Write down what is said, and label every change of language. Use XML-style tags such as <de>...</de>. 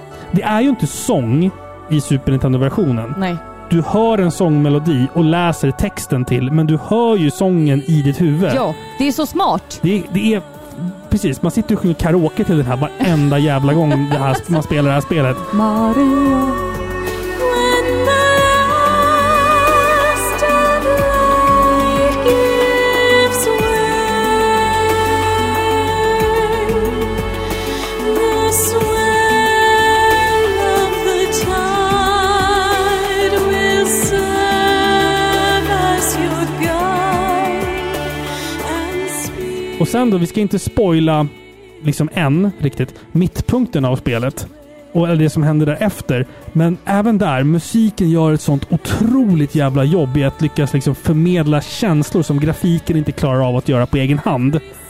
<sv>Det är ju inte sång i Super Nintendo-versionen. Nej. Du hör en sångmelodi och läser texten till, men du hör ju sången i ditt huvud. Ja, det är så smart. Det är... Precis, man sitter och sjunger karaoke till den här varenda jävla gång det här, man spelar det här spelet.</sv> <en>Maria, when the last of light gives way, the swell of the tide will serve as your guide and speak.</en> <sv>Och sen då, vi ska inte spoila liksom en riktigt mittpunkten av spelet och det som händer därefter, men även där musiken gör ett sånt otroligt jävla jobb i att lyckas liksom förmedla känslor som grafiken inte klarar av att göra på egen hand.</sv>